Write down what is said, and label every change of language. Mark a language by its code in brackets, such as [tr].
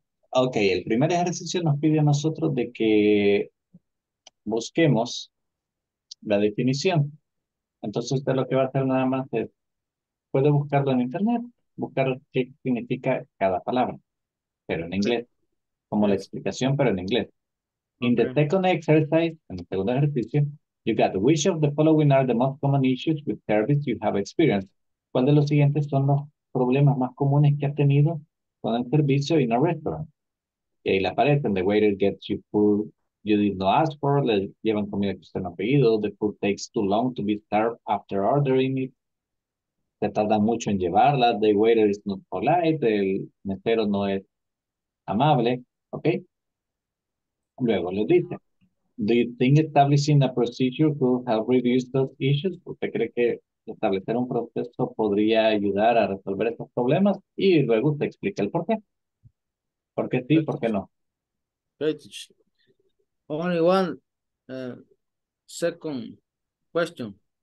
[es] Ok, el primer ejercicio nos pide a nosotros de que busquemos la definición. Entonces usted lo que va a hacer nada más es, puede buscarlo en internet, buscar qué significa cada palabra, pero en inglés, como la explicación, pero en inglés. [en] In the second exercise, [es] en el segundo ejercicio, [en] you got which of the following are the most common issues with service you have experienced. [es] ¿Cuál de los siguientes son los problemas más comunes que has tenido con el servicio en un restaurante? Y ahí le aparecen, [en] the waiter gets you food you did not ask for, [es] le llevan comida que usted no ha pedido, [en] the food takes too long to be served after ordering it, [es] se tarda mucho en llevarla, [en] the waiter is not polite, [es] el mesero no es amable, ok. Luego le dice, [en] do you think establishing a procedure could help reduce those issues? [es] ¿Usted cree que establecer un proceso podría ayudar a resolver esos problemas? Y luego usted explica el porqué. ¿Por qué sí? ¿Por qué no? [en] Only one second question.